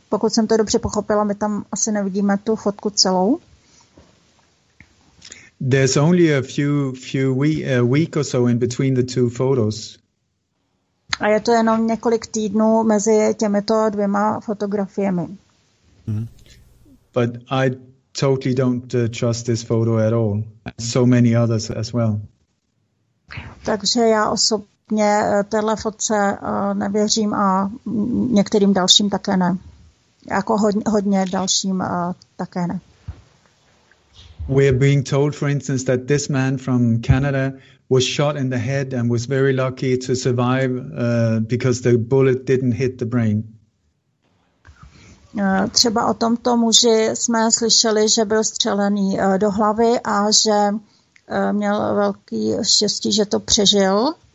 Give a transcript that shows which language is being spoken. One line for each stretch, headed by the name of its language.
Czech: Pokud jsem to dobře pochopila, my tam asi nevidíme tu fotku celou.
English: There's only a few weeks or so in between the two photos.
Czech: A je to jenom několik týdnů mezi těmito dvěma fotografiemi.
English: But I totally don't trust this photo at all. And so many others as well.
Czech: Takže já osobně téhle fotce nevěřím a některým dalším také ne. Jako hodně dalším také ne.
English: We are being told, for instance, that this man from Canada was shot in the head and was very lucky to survive because the bullet didn't hit the brain.
Czech: Třeba o tomto muži jsme slyšeli, že byl střelený do hlavy a že měl velký štěstí, že to přežil.